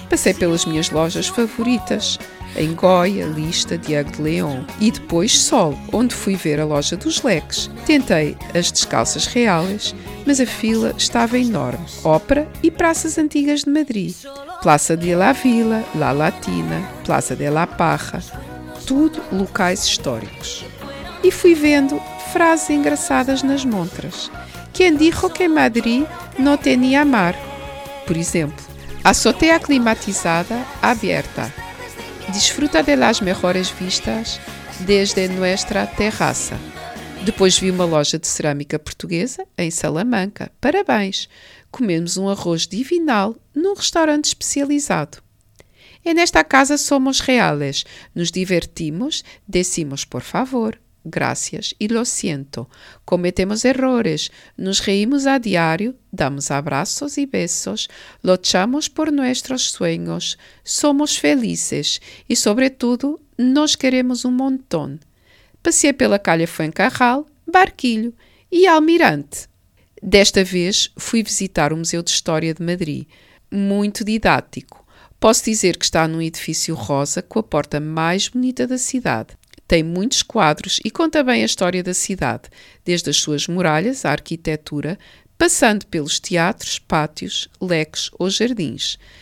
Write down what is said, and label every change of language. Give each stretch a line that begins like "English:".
Portuguese: Passei pelas minhas lojas favoritas, em Goya, Lista, Diego de León e depois Sol, onde fui ver a loja dos leques. Tentei as descalças reais, mas a fila estava enorme. Ópera e praças antigas de Madrid. Plaza de la Vila, La Latina, Plaza de la Parra. Tudo locais históricos. E fui vendo frases engraçadas nas montras.
Spanish: Quien dijo que en Madrid no tenía mar?
Portuguese: Por exemplo,
Spanish: azotea climatizada abierta. Disfruta de las mejores vistas desde nuestra terraza.
Portuguese: Depois vi uma loja de cerâmica portuguesa em Salamanca. Parabéns! Comemos um arroz divinal num restaurante especializado.
Spanish: En esta casa somos reales. Nos divertimos, decimos por favor, gracias y lo siento. Cometemos errores, nos reímos a diario, damos abraços y besos, luchamos por nuestros sueños, somos felices y, sobre todo, nos queremos un montón.
Portuguese: Passei pela Calha Fuencarral, Barquilho e Almirante. Desta vez, fui visitar o Museu de História de Madrid. Muito didático. Posso dizer que está num edifício rosa com a porta mais bonita da cidade. Tem muitos quadros e conta bem a história da cidade, desde as suas muralhas à arquitetura, passando pelos teatros, pátios, leques ou jardins.